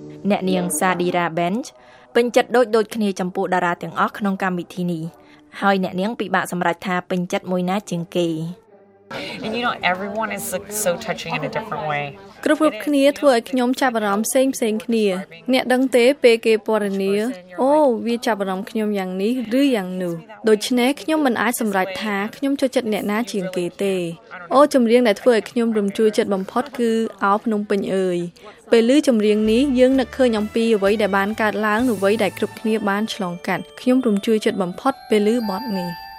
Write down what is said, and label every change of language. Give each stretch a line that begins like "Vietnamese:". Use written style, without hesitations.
Khmer: អ្នកនាងសាឌីរ៉ាបេនជពេញចិត្តដូចគ្នាចំពោះតារាទាំងអស់ក្នុងកម្មវិធីនេះហើយអ្នកនាងពិបាកសម្រេចថាពេញចិត្តមួយណាជាងគេ
English: And you know, everyone is like so touching in a different way.
Khmer: គ្រប់គ្រប់គ្នាធ្វើឲ្យខ្ញុំចាប់អារម្មណ៍ផ្សេងផ្សេងគ្នាអ្នកដឹងទេពេលគេពណ៌នាអូវាចាប់អារម្មណ៍ខ្ញុំយ៉ាងនេះឬយ៉ាងនោះដូច្នេះខ្ញុំមិនអាចសម្រេចថាខ្ញុំចូលចិត្តអ្នកណាជាងគេទេអូចម្រៀងដែលធ្វើឲ្យខ្ញុំរំជួលចិត្តបំផុតគឺឱភ្នំពេញអើយពេលឮចម្រៀងនេះយើងនឹកឃើញអំពីអ្វីដែលបានកើតឡើងនូវអ្វីដែលគ្រប់គ្នាបានឆ្លងកាត់ខ្ញុំរំជួលចិត្តបំផុតពេលឮបទនេះ